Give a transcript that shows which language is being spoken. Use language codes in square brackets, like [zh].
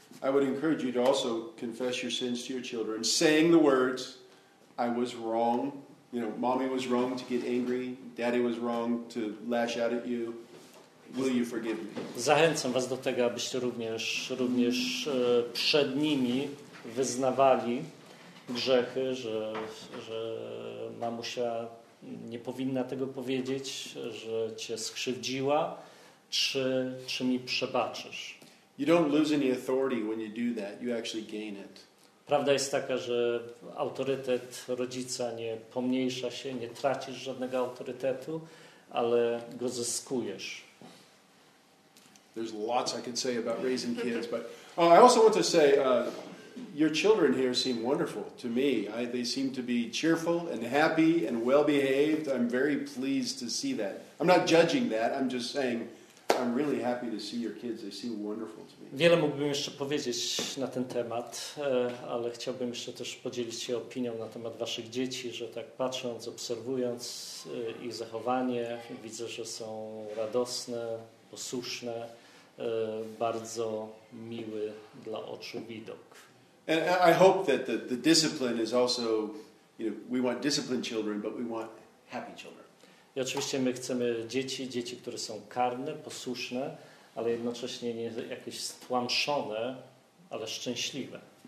[en] I would encourage you to also confess your sins to your children, saying the words, I was wrong, you know, mommy was wrong to get angry, daddy was wrong to lash out at you. Will you forgive me? [pl] Zachęcam was do tego, abyście również przed nimi wyznawali grzechy, że mamusia nie powinna tego powiedzieć, że cię skrzywdziła, czy mi przebaczysz. [en] You don't lose any authority when you do that, you actually gain it. [pl] Prawda jest taka, że autorytet rodzica nie pomniejsza się, nie tracisz żadnego autorytetu, ale go zyskujesz. [en] There's lots I could say about raising kids, but I also want to say your children here seem wonderful to me. They seem to be cheerful and happy and well-behaved. I'm very pleased to see that. I'm not judging that. I'm just saying I'm really happy to see your kids. They seem wonderful to me. [pl] Wiele mógłbym jeszcze powiedzieć na ten temat, ale chciałbym jeszcze też podzielić się opinią na temat waszych dzieci, że tak patrząc, obserwując ich zachowanie, widzę, że są radosne, posłuszne, bardzo miły dla oczu widok. [en] And I hope that the discipline is also, you know, we want disciplined children, but we want happy children. [pl] I oczywiście my chcemy dzieci, które są karne, posłuszne, ale jednocześnie nie jakieś stłamszone, ale szczęśliwe.